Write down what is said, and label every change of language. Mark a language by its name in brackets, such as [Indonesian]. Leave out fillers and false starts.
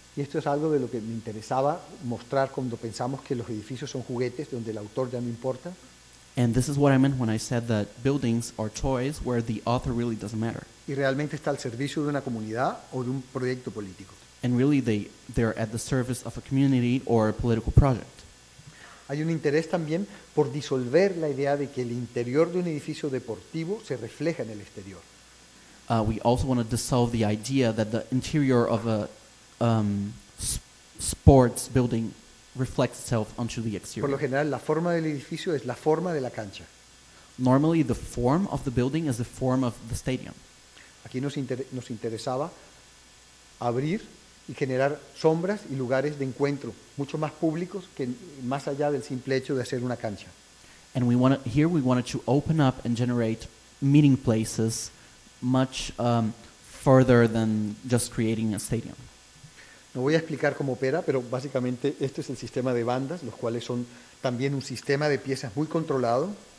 [Spanish] Y esto es algo de lo que me interesaba mostrar cuando pensamos que los edificios son juguetes, donde el autor ya no importa. [English] And this is what I meant when I said that buildings are toys where the author really doesn't matter. [Spanish] Y realmente está al servicio de una comunidad o de un proyecto político. [English] And really they're at the service of a community or a political project. [Spanish] Hay un interés también por disolver la idea de que el interior de un edificio deportivo se refleja en el exterior. [English] We also want to dissolve the idea that the interior of a sports building reflects itself onto the exterior. [Spanish] Por lo general, la forma del edificio es la forma de la cancha. [English] Normally, the form of the building is the form of the stadium. [Spanish] Aquí nos interesaba abrir y generar sombras y lugares de encuentro mucho más públicos que más allá del simple hecho de hacer una cancha. [English] And we wanted to open up and generate meeting places much further than just creating a stadium. [Spanish] No voy a explicar cómo opera, pero básicamente este es el sistema de bandas, los cuales son también un sistema de piezas muy controlado.